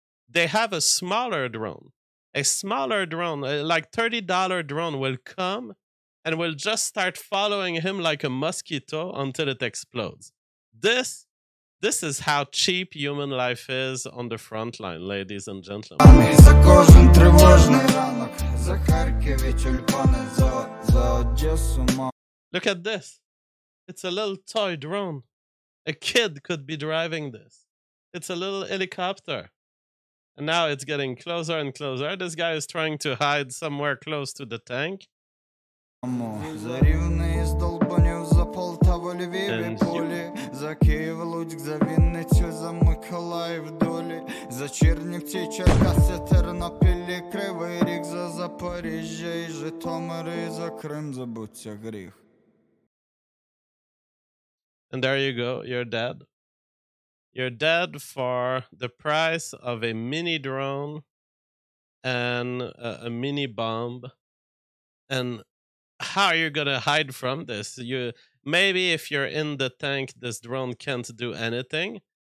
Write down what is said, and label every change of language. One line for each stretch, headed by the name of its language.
English: They have a smaller drone. A smaller drone, like $30 drone, will come and will just start following him like a mosquito until it explodes. This is how cheap human life is on the front line, ladies and gentlemen.
Ukrainian: За кожен тривожний ранок, за Харків і тюльпани, за Одесу.
English: Look at this. It's a little toy drone. A kid could be driving this. It's a little helicopter. And now it's getting closer and closer. This guy is trying to hide somewhere close to the tank.
Ukrainian: За Рівний, з Долбанів, за Полтаву, Львів і Полі, за Київ, Луцьк, за Вінницю, за Миколаїв, Долі, за Чернівці, Черкаси, Тернопілі, Кривий Ріг, за Запоріжжя і Житомир, і за Крим, забуться гріх.
English: And there you go, you're dead. You're dead for the price of a mini drone and a mini bomb. And how are you going to hide from this? Maybe if you're in the tank, this drone can't do anything.